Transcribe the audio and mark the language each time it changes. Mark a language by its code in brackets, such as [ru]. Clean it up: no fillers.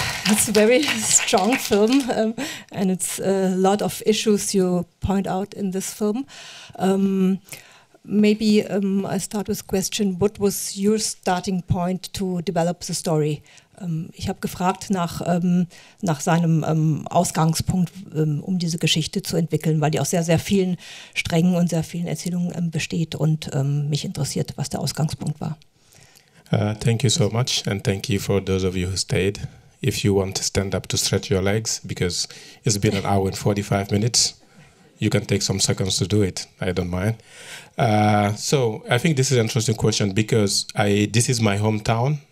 [en] It's a very strong film, and it's a lot of issues you point out in this film. I start with question, what was your starting point to develop the story? [de] Ich habe gefragt nach seinem Ausgangspunkt, um diese Geschichte zu entwickeln, weil die aus sehr, sehr vielen Strängen und sehr vielen Erzählungen besteht und mich interessiert, was der Ausgangspunkt war. [en] Thank you so much, and thank you for those of you who stayed. If you want to stand up to stretch your legs, because it's been an hour and 45 minutes, you can take some seconds to do it. I don't mind. So I think this is an interesting question because this is my hometown.